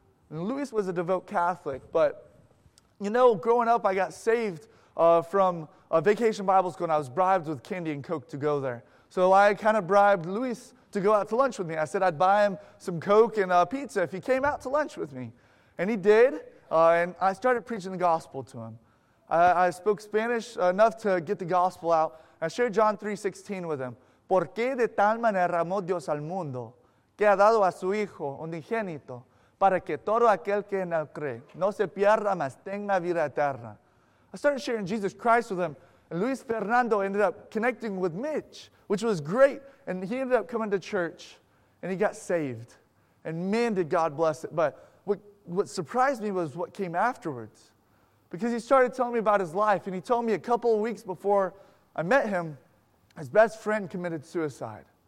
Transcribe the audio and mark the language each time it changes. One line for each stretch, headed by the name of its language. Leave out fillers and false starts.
English: And Luis was a devout Catholic. But, you know, growing up, I got saved from a vacation Bible school, and I was bribed with candy and Coke to go there. So I kind of bribed Luis to go out to lunch with me. I said I'd buy him some Coke and pizza if he came out to lunch with me. And he did, and I started preaching the gospel to him. I spoke Spanish enough to get the gospel out. I shared John 3:16 with him.
Spanish: ¿Por qué de tal manera amó Dios al mundo que ha dado a su Hijo unigénito para que todo aquel que en él cree no se pierda mas tenga vida eterna?
English: I started sharing Jesus Christ with him, and Luis Fernando ended up connecting with Mitch, which was great, and he ended up coming to church, and he got saved, and man, did God bless it. But what surprised me was what came afterwards, because he started telling me about his life, and he told me a couple of weeks before I met him, his best friend committed suicide.